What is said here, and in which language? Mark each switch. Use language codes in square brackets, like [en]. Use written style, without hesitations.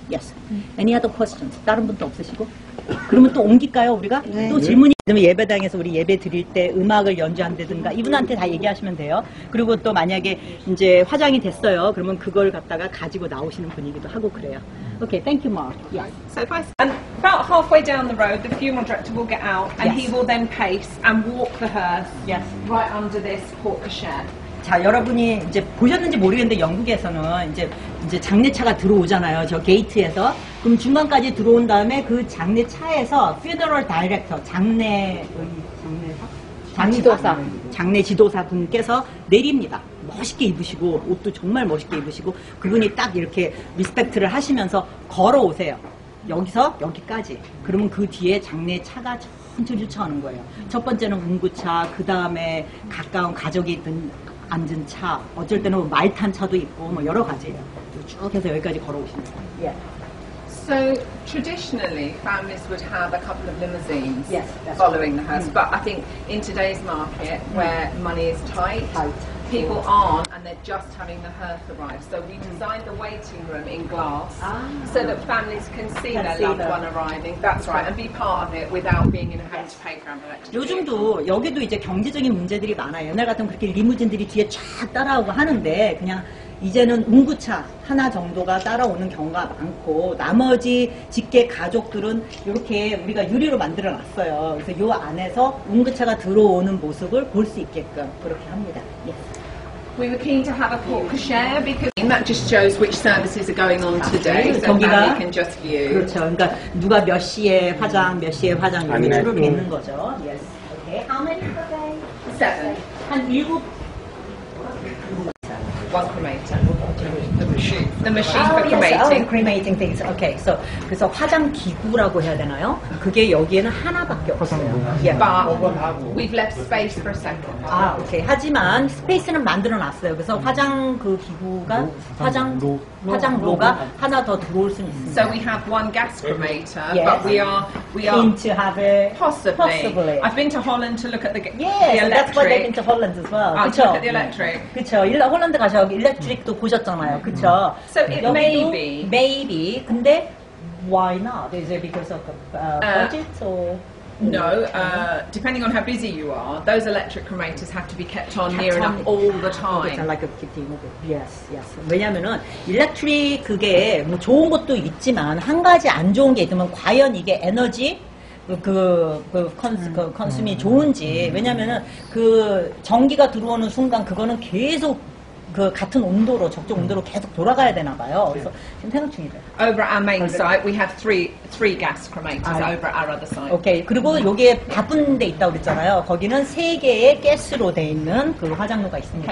[en] Yes. Any other questions? [ko] 다른 분도 없으시고? 그러면 또 옮길까요, 우리가? 네. 또 질문이 있으면 예배당에서 우리 예배 드릴 때 음악을 연주한다든가 이분한테 다 얘기하시면 돼요. 그리고 또 만약에 이제 화장이 됐어요. 그러면 그걸 갖다가 가지고 나오시는 분이기도 하고 그래요. [en] Okay, thank you, Mark. Yes. So if I and about halfway down the road, the funeral director will get out and yes. he will then pace and walk the hearse yes. right under this porte cochere. [ko] 자, 여러분이 이제 보셨는지 모르겠는데 영국에서는 이제 장례차가 들어오잖아요. 저 게이트에서. 그럼 중간까지 들어온 다음에 그 장례차에서 funeral director, 장례 지도사 분께서 내립니다. 멋있게 입으시고 옷도 정말 멋있게 입으시고 그분이 딱 이렇게 리스펙트를 하시면서 걸어오세요. 여기서 여기까지. 그러면 그 뒤에 장례차가 천천히 쫓아오는 거예요. 첫 번째는 운구차, 그 다음에 가까운 가족이 있던 앉은 차, 어쩔 때는 뭐 말 탄 차도 있고 뭐 여러 가지예요. 쭉 해서 여기까지 걸어오시는 거예요. [en] So traditionally, families would have a couple of limousines yes, following right. the hearse. Mm. But I think in today's market, mm. where money is tight, people aren't, and they're just having the hearse arrive. So we designed the waiting room in glass so that families can see their loved one arriving. That's right, and be part of it without being in a hurry to pay for ambulance. [ko] 요즘도 여기도 이제 경제적인 문제들이 많아요. 옛날 같은 그렇게 리무진들이 뒤에 쫙 따라오고 하는데 그냥. 이제는 운구차 하나 정도가 따라오는 경우가 많고 나머지 직계 가족들은 이렇게 우리가 유리로 만들어 놨어요. 그래서 이 안에서 운구차가 들어오는 모습을 볼 수 있게끔 그렇게 합니다. [en] Yes. We were keen to have a porte cochere because that just shows which services are going on today. So you can just view. [ko] 그렇죠. 그러니까 누가 몇 시에 화장, 몇 시에 화장 이렇게 줄을 있는 거죠. [en] Yes. Okay. How many today? Seven. [ko] 한 일곱. [en] One cremator. The machine for cremating. Yes. Oh, cremating things. Okay. [ko] So, 그래서 화장 기구라고 해야 되나요? 그게 여기에는 하나밖에 없어요. [en] Yeah. But we've left space for a second. 아, okay. [ko] 하지만 스페이스는 만들어 놨어요. 그래서 화장 그 기구가 화장로가 하나 더 들어올 수 있습니다. [en] So we have one gas cremator, yes. but we are keen to have it. Possibly. I've been to Holland to look at the electric. Yes, that's why they've been to Holland as well. [ko] 그렇죠. [en] The electric. [ko] 그렇죠. 홀란드 가셔 일렉트릭도 보셨잖아요. 그렇죠? [en] So it may be. Maybe. 근데 why not? Is it because of the budget or? No, depending on how busy you are, those electric cremators have to be kept on near enough all the time. It's like a kitchen. Yes, yes. [ko] 왜냐면은 일렉트릭 그게 뭐 좋은 것도 있지만 한 가지 안 좋은 게 있으면 과연 이게 에너지 그 컨슘이 좋은지. 왜냐면은 그 전기가 들어오는 순간 그거는 계속 그 같은 온도로 적정 온도로 계속 돌아가야 되나 봐요. 그래서 지금 생각 중이에요. [en] Over our main site, we have three gas cremators over our other site. [ko] 오케이. 그리고 여기에 바쁜데 있다고 그랬잖아요. 거기는 세 개의 가스로 돼 있는 그 화장로가 있습니다.